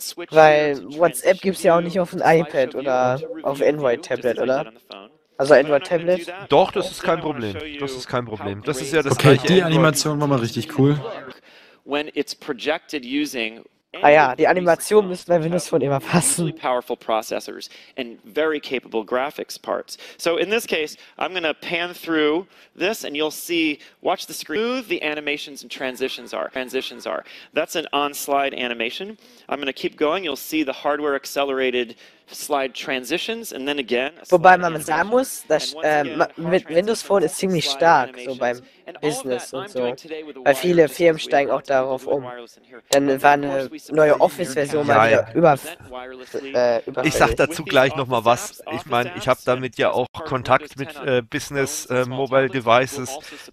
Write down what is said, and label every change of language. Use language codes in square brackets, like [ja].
[de] Weil WhatsApp gibt's ja auch nicht auf dem iPad oder auf Android-Tablet, oder? Also Android-Tablet? Doch, das ist kein Problem. Das ist kein Problem. Das ist ja das okay, die Animation war mal richtig cool. [en] When it's projected using [de] ah ja, die Animation müssen bei Windows Phone immer passen. [en] Powerful processors and very capable graphics parts. So in this case, I'm going to pan through this and you'll see, watch the screen, smooth the animations and transitions are. That's an on-slide animation. I'm going to keep going, you'll see the hardware accelerated slide transitions and then again. [de] Wobei man sagen muss, dass mit Windows Phone ist ziemlich stark so beim Business und so. Weil viele Firmen steigen auch darauf um. Dann war eine neue Office-Version mal wieder überfällig. Ich sag dazu gleich nochmal was. Ich meine, ich habe damit ja auch Kontakt mit Business-Mobile-Devices.